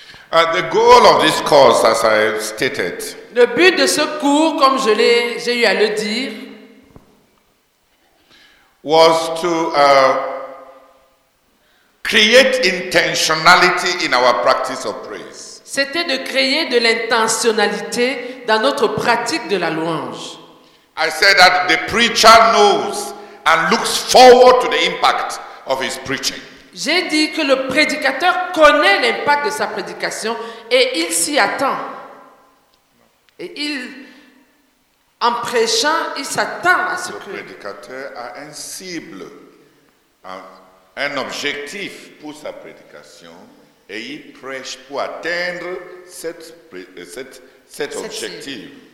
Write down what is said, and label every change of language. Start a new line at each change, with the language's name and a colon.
English: The goal of this course, as I stated.
French: Le but de ce cours, comme je l'ai, j'ai eu à le dire,
English: was to create intentionality in our practice of praise.
French: C'était de créer de l'intentionnalité dans notre pratique de la louange.
English: I said that the preacher knows and looks forward to the impact of his preaching.
French: J'ai dit que le prédicateur connaît l'impact de sa prédication et il s'y attend. Et il, en prêchant, il s'attend à ce le que... Le prédicateur a un cible, un objectif pour sa prédication et il prêche pour atteindre cet objectif.